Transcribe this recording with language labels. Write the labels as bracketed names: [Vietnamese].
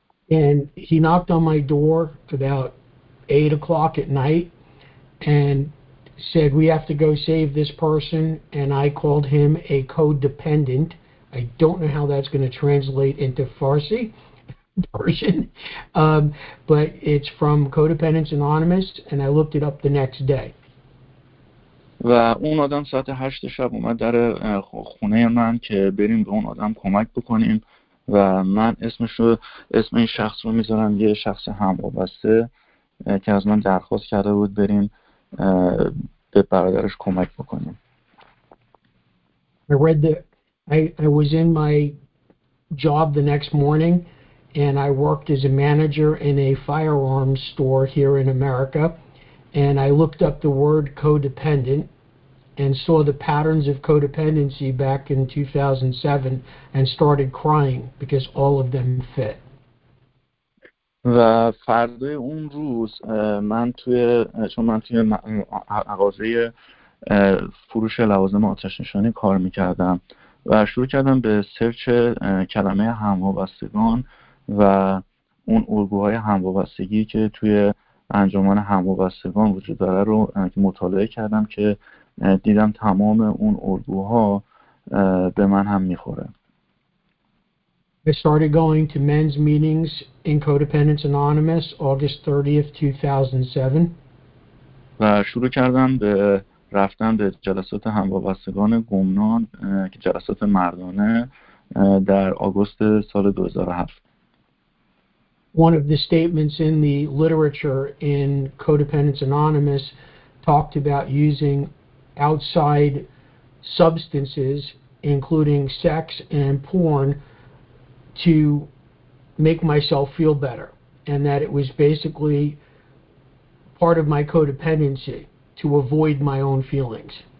[English] And he knocked on my door about 8 o'clock at night and said, we have to go save this person. And I called him a codependent. I don't know how that's going to translate into Farsi Persian, but it's from Codependents Anonymous. And I looked it up the next day. [Persian] و اون آدم ساعت 8 شب اومد در خونه من که بریم به اون آدم کمک بکنیم و من اسم این شخص رو میذارم یه شخص هم وابسته که از من درخواست کرده بود بریم به برادرش کمک بکنیم. [English] I was in my job the next morning and I worked as a manager in a firearms store here in America and I looked up the word codependent and saw the patterns of codependency back in 2007 and started crying because all of them fit. [Persian] و فردای اون روز من توی مغازه فروش لوازم آتش نشانی کار میکردم و شروع کردم به سرچ کلمه هموابستگان و اون الگوهای هموابستگی که توی انجمن هموابستگان وجود داره رو مطالعه کردم که دیدم تمام اون الگوها به من هم میخوره. [English] I started going to men's meetings in Codependents Anonymous August 30th, 2007. [Persian] و شروع کردم به رفتن به جلسات هموابستگان گمنام که جلسات مردانه در آگوست سال 2007. [English] One of the statements in the literature in Codependents Anonymous talked about using outside substances, including sex and porn, to make myself feel better, and that it was basically part of my codependency to avoid my own feelings.